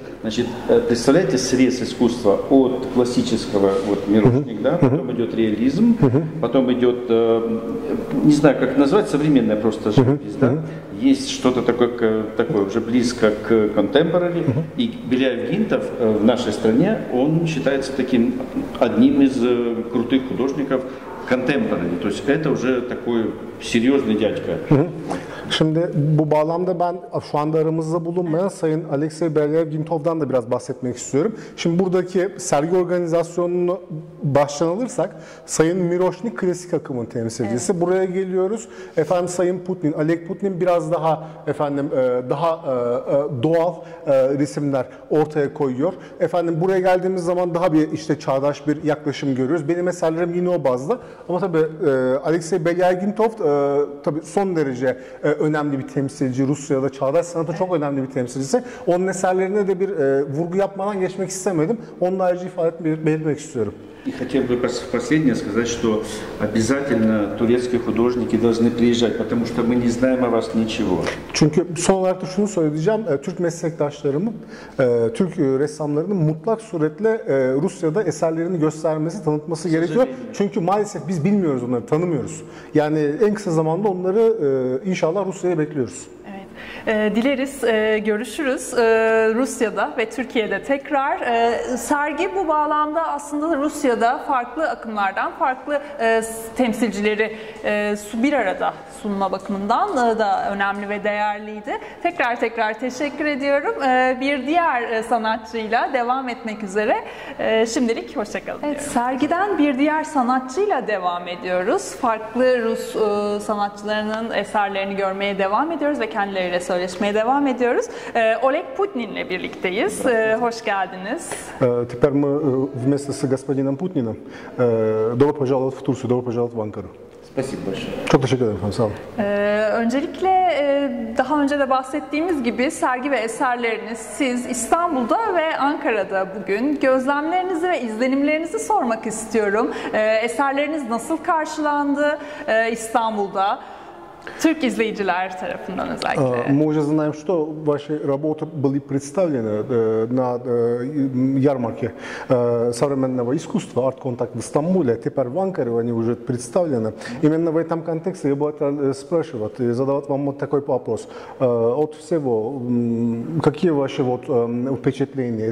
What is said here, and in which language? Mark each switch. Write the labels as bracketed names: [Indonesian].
[Russian] Значит, представляете срез искусства от классического, вот, мирошник, да, потом идет реализм, потом идет, не знаю, как назвать, современная просто живопись, да, есть что-то такое уже близко к contemporary, и Беляев-Гинтов в нашей стране, он считается таким одним из крутых художников, contemporary, то есть это уже такой серьезный дядька. [Turkish] Şimdi bu bağlamda ben şu anda aramızda bulunmayan Sayın Alexey Beliaev-Gintov'dan da biraz bahsetmek istiyorum. Şimdi buradaki sergi organizasyonunu baştan alırsak Sayın Miroshnik klasik akımın temsilcisi. Evet. Buraya geliyoruz. Efendim Sayın Putin, Alek Putin biraz daha efendim daha doğal resimler ortaya koyuyor. Efendim buraya geldiğimiz zaman daha bir işte çağdaş bir yaklaşım görüyoruz. Benim eserlerim yine o bazda. Ama tabii Alexey Beliaev-Gintov tabii son derece önemli bir temsilci, Rusya'da çağdaş sanatı çok önemli bir temsilcisi. Onun eserlerine de bir vurgu yapmadan geçmek istemedim. Onu da ayrıca ifade belirtmek istiyorum. [Russian] И хотел бы последнее сказать, что обязательно турецкие художники должны приезжать, потому что мы не знаем о вас ничего. [Turkish] Çünkü son olarak da şunu söyleyeceğim. Türk meslektaşlarımın, Türk ressamlarının mutlak suretle Rusya'da eserlerini göstermesi, tanıtması gerekiyor. Çünkü maalesef biz bilmiyoruz onları, tanımıyoruz. Yani en kısa zamanda onları inşallah Rusya'ya bekliyoruz. Dileriz, görüşürüz Rusya'da ve Türkiye'de tekrar. Sergi bu bağlamda aslında Rusya'da farklı akımlardan, farklı temsilcileri bir arada sunma bakımından da önemli ve değerliydi. Tekrar tekrar teşekkür ediyorum. Bir diğer sanatçıyla devam etmek üzere. Şimdilik hoşçakalın. Evet, sergiden bir diğer sanatçıyla devam ediyoruz. Farklı Rus sanatçılarının eserlerini görmeye devam ediyoruz ve kendileriyle söyleşmeye devam ediyoruz. Oleg Putin'le birlikteyiz. Hoş geldiniz. [Russian] Теперь мы вместе с господином Путниным. Добро пожаловать в Турцию, добро пожаловать в Анкару. Спасибо большое. [Turkish] Çok teşekkür ederim efendim, sağ olun. Öncelikle daha önce de bahsettiğimiz gibi sergi ve eserleriniz siz İstanbul'da ve Ankara'da bugün. Gözlemlerinizi ve izlenimlerinizi sormak istiyorum. Eserleriniz nasıl karşılandı İstanbul'da? Türk изъявителей тарапından özellikle. [Russian] Мы уже знаем, что ваши работы были представлены на ярмарке современного искусства Art Contact в Стамбуле, теперь в Анкаре они уже представлены. Именно в этом контексте я бы хотел спрашивать, задавать вам вот такой вопрос. От всего, какие ваши вот впечатления?